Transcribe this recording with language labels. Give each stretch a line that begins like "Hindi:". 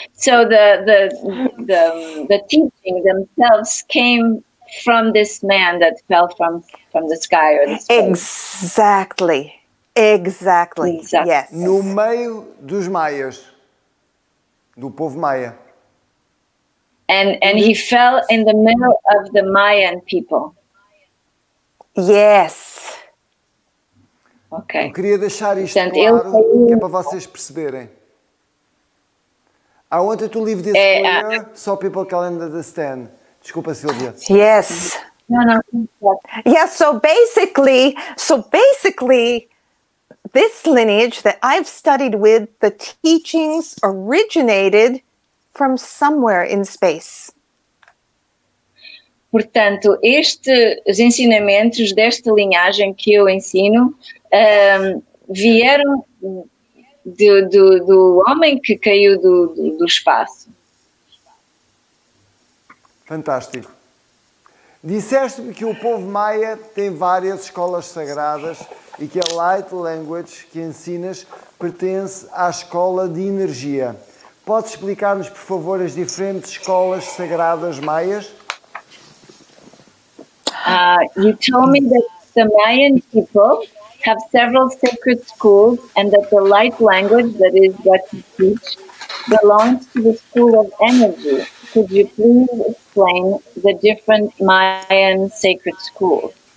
English: So the teaching themselves came from this man that fell from the sky or the space. Exactly. Exactly. Exactly. Yes.
Portuguese: No meio dos maias, do povo maia.
English: And he fell in the middle of the Mayan people. Yes. Okay.
Portuguese: Eu queria deixar isto claro, que é para vocês perceberem.
English: I wanted to leave this clear so people can understand.
Portuguese: Desculpa, Silvia.
English: Yes. No. Yes, so basically, this lineage that I've studied with, the teachings originated from somewhere in space.
Portuguese: Portanto, estes ensinamentos desta linhagem que eu ensino vieram do homem que caiu do espaço. Fantástico. Disseste-me que o povo maia tem várias escolas sagradas e que a Light Language que ensinas pertence à escola de energia. Pode explicar-nos, por favor, as diferentes escolas sagradas maias?
English: You told me that the Mayan people have several sacred schools and that the light language, that is what you teach, belongs to the school of energy. Could you please explain the different Mayan sacred schools?